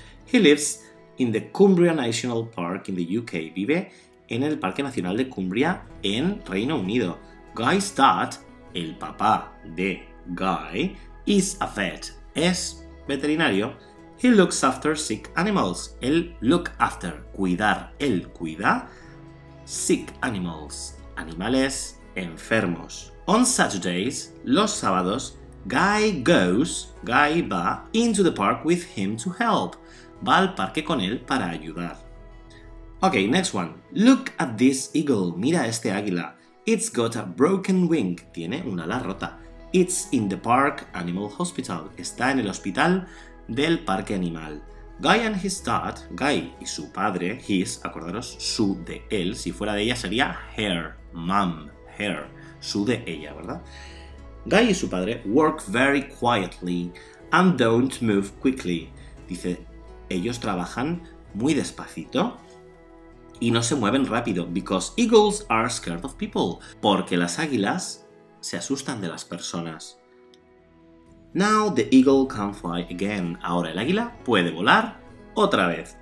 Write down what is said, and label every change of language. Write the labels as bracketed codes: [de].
[en] He lives in the Cumbria National Park in the UK. [es] Vive en el Parque Nacional de Cumbria en Reino Unido. [en] Guy's dad, [es] el papá de Guy, [en] is a vet. [es] Es veterinario. [en] He looks after sick animals. [es] Él [en] look after, [es] cuidar. Él cuida [en] sick animals, [es] animales enfermos. [en] On Saturdays, [es] los sábados, [en] Guy va into the park with him to help. [es] Va al parque con él para ayudar. [en] Ok, next one. Look at this eagle. [es] Mira este águila. [en] It's got a broken wing. [es] Tiene una ala rota. [en] It's in the park animal hospital. [es] Está en el hospital del parque animal. [en] Guy and his dad, [es] Guy y su padre, his, acordaros, su de él. Si fuera de ella sería [en] her, mom, her. [es] Su de ella, ¿verdad? Guy y su padre [en] work very quietly and don't move quickly. [es] Dice, ellos trabajan muy despacito y no se mueven rápido. [en] Because eagles are scared of people. [es] Porque las águilas se asustan de las personas. [en] Now the eagle can fly again. [es] Ahora el águila puede volar otra vez.